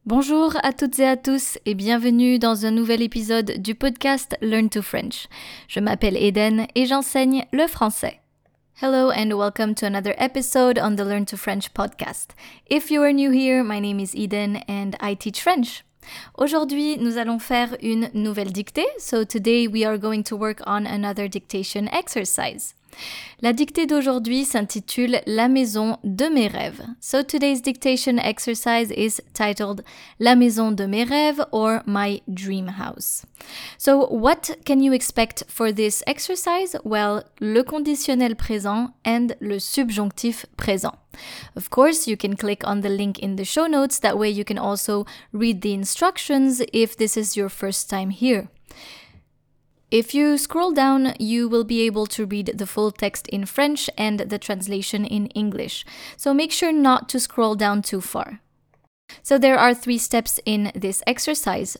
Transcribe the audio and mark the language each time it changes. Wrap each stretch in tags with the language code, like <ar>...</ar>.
<fr>Bonjour à toutes et à tous et bienvenue dans un nouvel épisode du podcast Learn to French. Je m'appelle Eden et j'enseigne le français.</fr> <en>Hello and welcome to another episode on the Learn to French podcast. If you are new here, my name is Eden and I teach French.</en> <fr>Aujourd'hui, nous allons faire une nouvelle dictée.</fr> <en>So today we are going to work on another dictation exercise.</en> <fr>La dictée d'aujourd'hui s'intitule « La maison de mes rêves ».</fr> <en>So today's dictation exercise is titled «</en> <fr>La maison de mes rêves</fr> <en>» or « My dream house ». So what can you expect for this exercise? Well, le conditionnel présent and le subjonctif présent. Of course, you can click on the link in the show notes, that way you can also read the instructions if this is your first time here. If you scroll down, you will be able to read the full text in French and the translation in English. So make sure not to scroll down too far. So there are three steps in this exercise.</en>